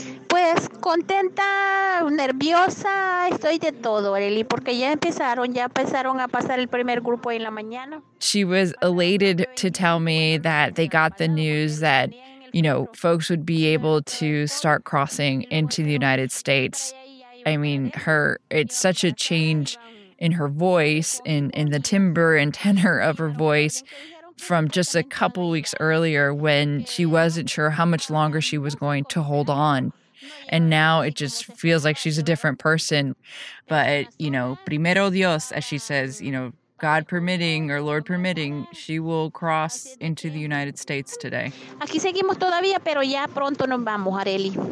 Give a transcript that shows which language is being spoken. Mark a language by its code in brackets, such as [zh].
[es] pues contenta, nerviosa, estoy de todo, Arely, porque ya empezaron a pasar el primer grupo en la mañana. [en] She was elated to tell me that they got the news that, you know, folks would be able to start crossing into the United States. I mean, it's such a change in her voice, in the timbre and tenor of her voice, from just a couple weeks earlier when she wasn't sure how much longer she was going to hold on. And now it just feels like she's a different person. But, you know, [es] primero Dios, [en] as she says, you know, God permitting or Lord permitting, she will cross into the United States today. [es] Aquí seguimos todavía, pero ya pronto nos vamos, Arely.